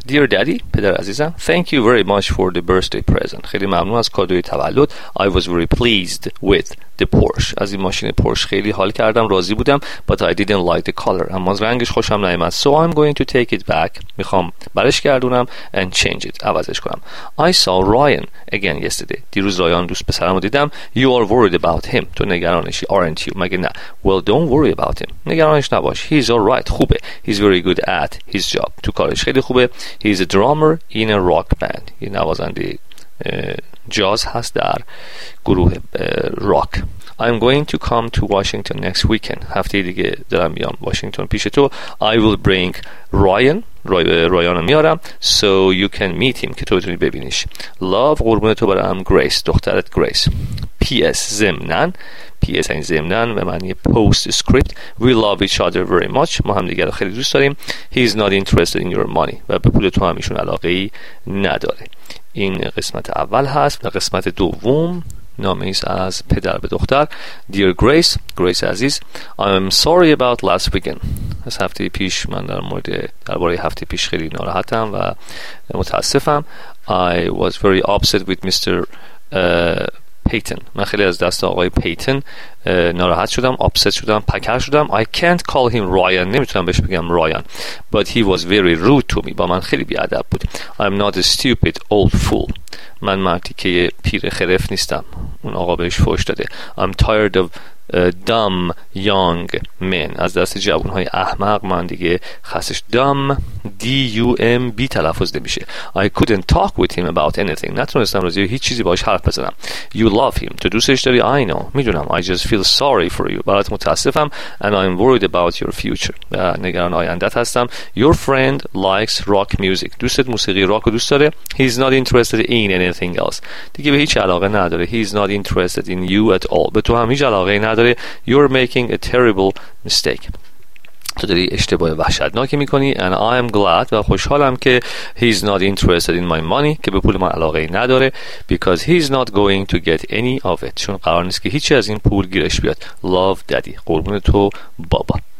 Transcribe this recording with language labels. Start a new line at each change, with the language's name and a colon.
English: Dear Daddy,
Persian: پدر عزیزم,
English: Thank you very much for the birthday present.
Persian: خیلی ممنون از کادوی تولد.
English: I was very pleased with the Porsche.
Persian: از این ماشین پورش خیلی حال کردم, راضی بودم.
English: But I didn't like the color.
Persian: اما از رنگش خوشم نیامد.
English: So I'm going to take it back.
Persian: میخوام برش گردونم
English: and change it.
Persian: عوضش کنم.
English: I saw Ryan again yesterday.
Persian: دیروز رایان دوست پسرم رو دیدم.
English: You are worried about him.
Persian: تو نگرانشی.
English: Aren't you?
Persian: مگه نه.
English: Well, don't worry about him.
Persian: نگرانش نباش.
English: He's all right.
Persian: خوبه.
English: He's very good at his job.
Persian: تو کارش خیلی خوبه.
English: He's a drummer in a rock band.
Persian: یه نوازنده جاز هست در گروه راک.
English: I'm going to come to Washington next weekend.
Persian: هفته دیگه دارم میام واشنگتن پیش تو.
English: I will bring Ryan.
Persian: رایان رو میارم.
English: So you can meet him.
Persian: که تو بتونی ببینیش. Love, قربون تو برم, Grace, دخترت Grace. P.S. زمنن, P.S. این زمنن به معنی
English: post script, We love each other very much.
Persian: ما هم دیگر رو خیلی دوست داریم.
English: He's not interested in your money.
Persian: و به پول تو هم ایشون علاقه ای نداره. این قسمت اول هست. و قسمت دوم, نامه ایست از پدر به دختر.
English: Dear Grace, Grace عزیز, I'm sorry about last weekend.
Persian: از هفته پیش, من در مورد درباره هفته پیش خیلی ناراحتم و متاسفم.
English: I was very upset with Mr. Payton.
Persian: من خیلی از دست آقای پیتن ناراحت شدم, upset شدم, پکر شدم.
English: I can't call him Ryan.
Persian: نمیتونم بهش بگم Ryan.
English: But he was very rude to me.
Persian: با من خیلی بیادب بود.
English: I'm not a stupid old fool.
Persian: من مردی که پیر خرف نیستم. اون آقا بهش فوش داده.
English: I'm tired of dumb young men.
Persian: از دست جوانهای احمق من دیگه خستش.
English: Dumb, D-U-M-B
Persian: تلفظ نمیشه.
English: I couldn't talk with him about anything.
Persian: نتونستم روزی هیچ چیزی باش حرف بزنم.
English: You love him.
Persian: تو دوستش داری.
English: I know.
Persian: میدونم.
English: I just feel sorry for you.
Persian: برات متاسفم.
English: And I'm worried about your future.
Persian: و نگران آیندت هستم.
English: Your friend likes rock music.
Persian: دوستت موسیقی راک دوست داره.
English: He's not interested in anything else.
Persian: دیگه به هیچ علاقه نداره.
English: He's not interested in you at all.
Persian: به تو هم هیچ علاقه نداره.
English: You're making a terrible mistake.
Persian: تو داری اشتباه وحشتناکی میکنی.
English: And I am glad,
Persian: و خوشحالم که
English: he's not interested in my money,
Persian: که به پول من علاقه نداره.
English: Because he's not going to get any of it.
Persian: چون قرار نیست که هیچی از این پول گیرش بیاد.
English: Love, daddy.
Persian: قربون تو بابا.